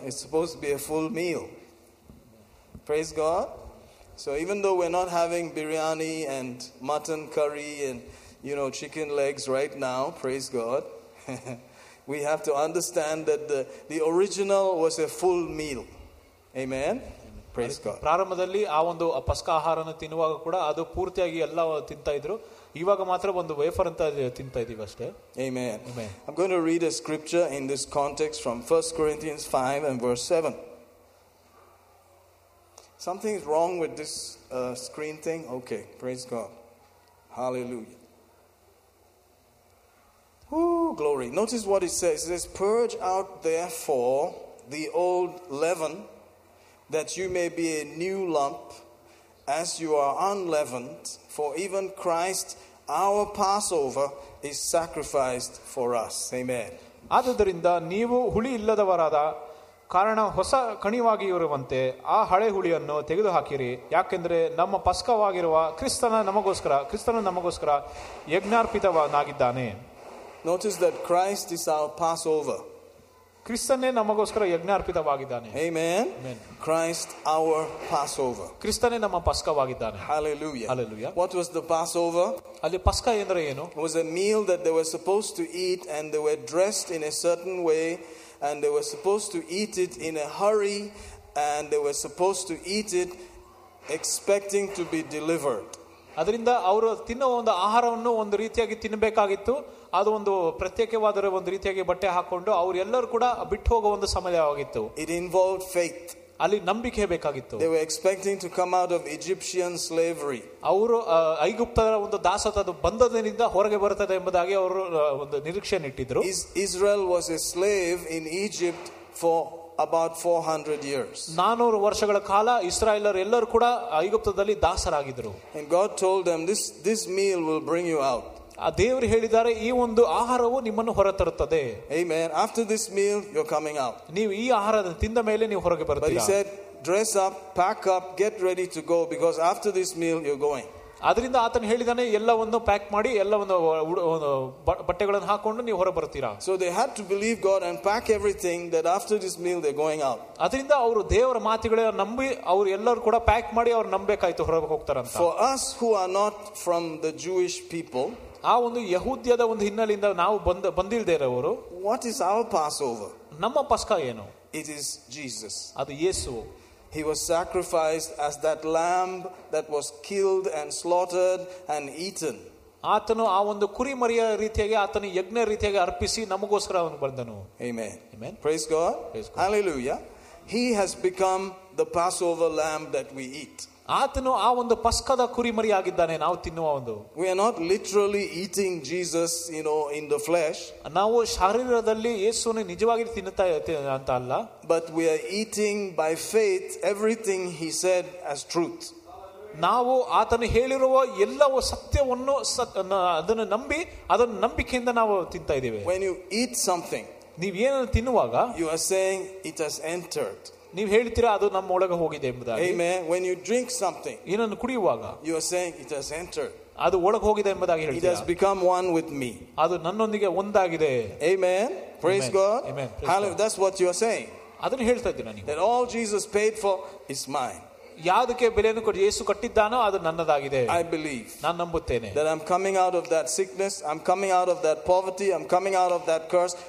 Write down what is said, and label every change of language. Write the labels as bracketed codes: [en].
[en] It's supposed to be a full meal. Praise God. So even though we're not having biryani and mutton curry and, you know, chicken legs right now, praise God, we have to understand that the original was a full meal. Amen. Praise God. [kn] ಪ್ರಾರಂಭದಲ್ಲಿ ಆ ಒಂದು ಪಸ್ಕ ಆಹಾರವನ್ನು ತಿನ್ನುವಾಗ ಕೂಡ ಅದು ಪೂರ್ತಿಯಾಗಿ ಎಲ್ಲ ತಿಂತ ಇದ್ರು, ಇವಾಗ ಮಾತ್ರ ಒಂದು ವೇಫರ್ ಅಂತ ತಿಂತ ಇದೀವಿ ಅಷ್ಟೇ. [en] Amen. I'm going to read a scripture in this context from 1 Corinthians 5 and verse 7. Something is wrong with this screen thing. Okay, praise God. Hallelujah. Woo. glory. Notice what it says. It says, purge out therefore the old leaven, that you may be a new lump, as you are unleavened. For even Christ, our Passover, is sacrificed for us. Amen. [kn] ಆದುದರಿಂದ ನೀವು ಹುಳಿ ಇಲ್ಲದವರಾದ ಕಾರಣ ಹೊಸ ಕಣಿವಾಗಿ ಇರುವಂತೆ ಆ ಹಳೆ ಹುಳಿಯನ್ನು ತೆಗೆದುಹಾಕಿರಿ. ಯಾಕೆಂದರೆ ನಮ್ಮ ಪಸ್ಕವಾಗಿರುವ ಕ್ರಿಸ್ತನು ನಮಗೋಸ್ಕರ ಯಜ್ಞಾರ್ಪಿತವನಾಗಿದ್ದಾನೆ. [en] Notice that Christ is our Passover. [kn] ಕ್ರಿಸ್ತನೇ ನಮಗೋಸ್ಕರ ಯಜ್ಞಾರ್ಪಿತವಾಗಿದ್ದಾನೆ. [en] Amen. Amen. Christ our Passover. [kn] ಕ್ರಿಸ್ತನೇ ನಮ್ಮ ಪಸ್ಕವಾಗಿದ್ದಾನೆ. [en] Hallelujah. Hallelujah. What was the Passover? [kn] ಅಲ್ಲಿ ಪಸ್ಕ ಎಂದರೆ ಏನು? [en] It was a meal that they were supposed to eat, and they were dressed in a certain way, and they were supposed to eat it in a hurry, and they were supposed to eat it expecting to be delivered. [kn] ಅದರಿಂದ ಅವರು ತಿನ್ನುವ ಒಂದು ಆಹಾರವನ್ನು ಒಂದು ರೀತಿಯಾಗಿ ತಿನ್ನಬೇಕಾಗಿತ್ತು. ಅದು ಒಂದು ಪ್ರತ್ಯೇಕವಾದ ಒಂದು ರೀತಿಯಾಗಿ ಬಟ್ಟೆ ಹಾಕೊಂಡು ಅವರೆಲ್ಲರೂ ಕೂಡ ಬಿಟ್ಟು ಹೋಗುವ ಒಂದು ಸಮಯವಾಗಿತ್ತು. [en] It involved faith. [kn] ಅಲ್ಲಿ ನಂಬಿಕೆ ಬೇಕಾಗಿತ್ತು. [en] They were expecting to come out of Egyptian slavery. [kn] ಅವರು ಐಗುಪ್ತರ ಒಂದು ದಾಸತ್ವದ ಬಂಧನದಿಂದ ಹೊರಗೆ ಬರುತ್ತದೆ ಎಂಬುದಾಗಿ ಅವರು ಒಂದು ನಿರೀಕ್ಷೆಯನ್ನು ಇಟ್ಟಿದ್ರು. [en] Israel was a slave in Egypt for about 400 years. [kn] 400 ವರ್ಷಗಳ ಕಾಲ ಇಸ್ರಾಯೇಲರ ಎಲ್ಲರೂ ಕೂಡ ಐಗುಪ್ತದಲ್ಲಿ ದಾಸರಾಗಿದ್ದರು. [en] And God told them, this meal will bring you out. [kn] ಆ ದೇವರು ಹೇಳಿದ್ದಾರೆ, ಈ ಒಂದು ಆಹಾರವು ನಿಮ್ಮನ್ನು ಹೊರತರುತ್ತದೆ. [en] Amen. After this meal you're coming out. [kn] ನೀವು ಈ ಆಹಾರವನ್ನು ತಿಂದ ಮೇಲೆ ನೀವು ಹೊರಗೆ ಬರುತ್ತೀರಿ. [en] But he said, dress up, pack up, get ready to go, because after this meal you're going. [kn] ಅದರಿಂದ ಆತನು ಹೇಳಿದಾನೆ, ಎಲ್ಲವನ್ನು ಪ್ಯಾಕ್ ಮಾಡಿ, ಎಲ್ಲವನ್ನು ಬಟ್ಟೆಗಳನ್ನು ಹಾಕೊಂಡು ನೀವು ಹೊರಗೆ ಬರುತ್ತೀರಾ. [en] So they had to believe God and pack everything that after this meal they're going out. [kn] ಅದರಿಂದ ಅವರು ದೇವರ ಮಾತುಗಳನ್ನು ನಂಬಿ ಅವರು ಎಲ್ಲರೂ ಕೂಡ ಪ್ಯಾಕ್ ಮಾಡಿ ಅವರು ನಂಬಬೇಕಾಯ್ತು ಹೊರಗೆ ಹೋಗ್ತಾರಂತ. [en] For us who are not from the Jewish people, [kn] ಆ ಒಂದು ಯಹೂದ್ಯದ ಒಂದು ಹಿನ್ನೆಲೆಯಿಂದ ನಾವು ಬಂದಿಲ್ದೇ ಇರೋರು, [en] What is our passover? [kn] ನಮ್ಮ ಪಸ್ಕ ಏನು? [en] It is Jesus. [kn] ಅದು ಯೇಸು. [en] He was sacrificed as that lamb that was killed and slaughtered and eaten. [kn] ಆತನು ಆ ಒಂದು ಕುರಿ ಮರಿಯ ರೀತಿಯಾಗಿ ಆತನ ಯಜ್ಞ ರೀತಿಯಾಗಿ ಅರ್ಪಿಸಿ ನಮಗೋಸ್ಕರ ಅವನು ಬಂದನು. [en] Amen. Amen. Praise God. Praise God. Hallelujah. He has become the Passover lamb that we eat. [kn] ಆತನು ಆ ಒಂದು ಪಸ್ಕದ ಕುರಿಮರಿ ಆಗಿದ್ದಾನೆ ನಾವು ತಿನ್ನುವ ಒಂದು. [en] We are not literally eating Jesus, you know, in the flesh. [kn] ನಾವು ಶಾರೀರದಲ್ಲಿ ಯೇಸುವನ್ನು ನಿಜವಾಗಿ ತಿನ್ನುತ್ತಾ ಅಂತ ಅಲ್ಲ. [en] But we are eating by faith everything he said as truth. [kn] ನಾವು ಆತನು ಹೇಳಿರುವ ಎಲ್ಲವೂ ಸತ್ಯವನ್ನು ಅದನ್ನು ನಂಬಿ ಅದನ್ನು ನಂಬಿಕೆಯಿಂದ ನಾವು ತಿಂತಾ ಇದ್ದೇವೆ. [en] When you eat something, [kn] ನೀವು ಏನನ್ನು ತಿನ್ನುವಾಗ, [en] you are saying it has entered. [kn] ನೀವು ಹೇಳ್ತೀರಾ ಅದು ನಮ್ಮ ಒಳಗೆ ಹೋಗಿದೆ ಎಂಬುದಾಗಿ. [en] Amen. When you drink something, [kn] ಏನನ್ನು ಕುಡಿಯುವಾಗ, [en] you are saying it has entered. [kn] ಅದು ಒಳಗೆ ಹೋಗಿದೆ ಎಂಬುದಾಗಿ ಹೇಳ್ತೀರ. [en] It has become one with me. [kn] ಅದು ನನ್ನೊಂದಿಗೆ ಒಂದಾಗಿದೆ. [en] Amen. Praise God. Amen. Hallelujah. That's what you are saying. [kn] ಅದನ್ನ ಹೇಳ್ತಾ ಇದ್ದೀರಾ ನೀವು. [en] That all Jesus paid for is mine. [kn] ಯಾವುದಕ್ಕೆ ಬೆಲೆಯನ್ನು ಕೊಟ್ಟು ಯೇಸು ಕಟ್ಟಿದ್ದಾನೋ ಅದು ನನ್ನದಾಗಿದೆ. [en] I believe. [kn] ನಾನು ನಂಬುತ್ತೇನೆ. [en] That I'm coming out of that sickness, I'm coming out of that poverty, I'm coming out of that curse.